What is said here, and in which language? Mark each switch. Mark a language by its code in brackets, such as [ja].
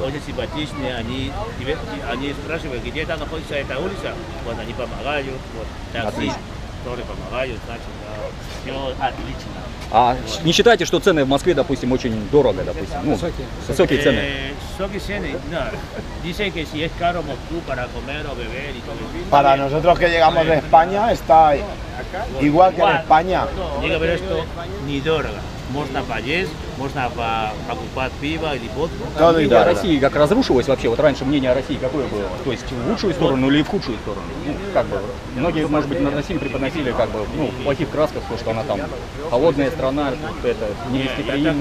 [ru] вот, очень симпатичные, они спрашивают, где там находится эта улица, вот они помогают, вот такси тоже помогают, значит, да, все отлично. А вот. Не считаете, что цены в Москве, допустим, очень дорого, допустим, ну, высокие цены? Высокие цены, да, [es] dicen que si es caro Moscú para comer o beber y todo. Para nosotros que llegamos de España está igual que en España. Digo, pero esto ni дорого. [ru] Можно поесть, можно покупать пиво или водку. Да, и да. Россия как разрушилась вообще? Вот раньше мнение о России какое было? То есть в лучшую сторону или в худшую сторону? Ну, как бы. Многие, может быть, наносили, преподносили как бы, ну, в плохих красках, то, что она там холодная страна, вот это, негостеприимная.